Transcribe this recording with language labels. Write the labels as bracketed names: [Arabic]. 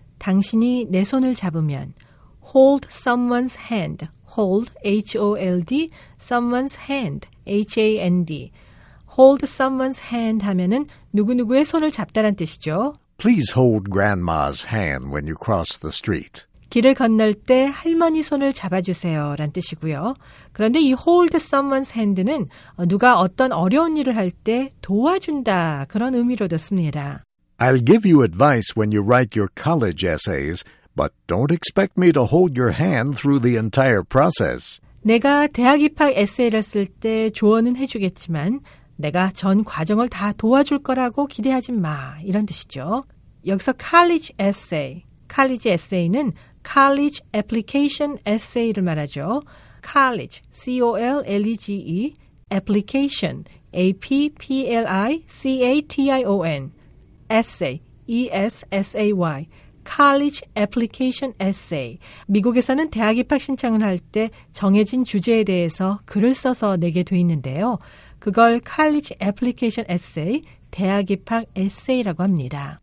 [Korean] 당신이 내 손을 잡으면 [English] hold someone's hand, hold, H-O-L-D, someone's hand, [Korean] H-A-N-D, hold someone's hand 하면은 누구누구의 손을 잡다란 뜻이죠. [English] Please hold grandma's hand when you cross the street. [Korean] 길을 건널 때 할머니 손을 잡아주세요 라는 뜻이고요. 그런데 이 [English] hold someone's hand [Korean] 는 누가 어떤 어려운 일을 할 때 도와준다 그런 의미로도 씁니다. [English] I'll give you advice when you write your college essays, but don't expect me to hold your hand through the entire process. [Korean] 내가 대학 입학 에세이를 쓸 때 조언은 해주겠지만 내가 전 과정을 다 도와줄 거라고 기대하지 마 이런 뜻이죠. 여기서 college essay. College essay는 college application essay를 말하죠. [English] College, C-O-L-L-E-G-E, application, A-P-P-L-I-C-A-T-I-O-N, essay, E-S-S-A-Y, college application essay. [Korean] 미국에서는 대학 입학 신청을 할 때 정해진 주제에 대해서 글을 써서 내게 돼 있는데요. 그걸 college application essay, 대학 입학 essay라고 합니다.